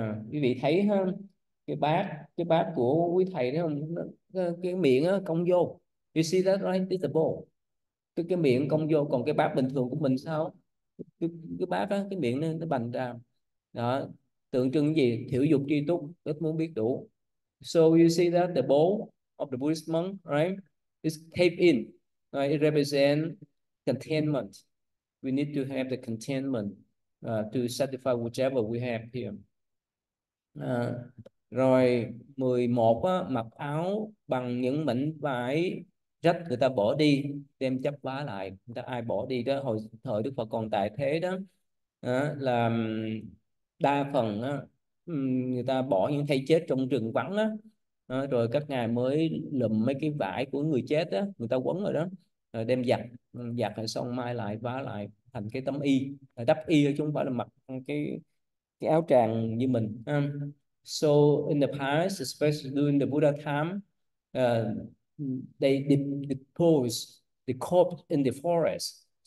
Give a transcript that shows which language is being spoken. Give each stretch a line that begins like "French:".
Vietnamese: Quý vị thấy ha, cái bát của quý thầy đấy không, cái miệng á cong vô.
English: You see that right? It's a bowl.
Vietnamese: Cái miệng cong vô, còn cái bát bình thường của mình sao? Cái bát á, cái miệng nó bành ra. Đó, tượng trưng gì? Thiểu dục tri túc, ít muốn biết đủ.
English: So you see that the bowl of the Buddhist monk, right? It's caved in. Right? It represent contentment. We need to have the contentment to satisfy whichever we have here.
Vietnamese: Rồi 11 á, mặc áo bằng những mảnh vải rách người ta bỏ đi đem chắp vá lại. Người ta ai bỏ đi đó, hồi thời Đức Phật còn tại thế đó, là đa phần á, người ta bỏ những thây chết trong rừng vắng á, rồi các ngài mới lượm mấy cái vải của người chết á, người ta quấn rồi đó, rồi đem giặt rồi xong mai lại vá lại thành cái tấm y, đắp y chứ không phải là mặc cái áo tràng như mình.
English: So in the past, especially during the Buddha time, they deposit the corpse in the forest.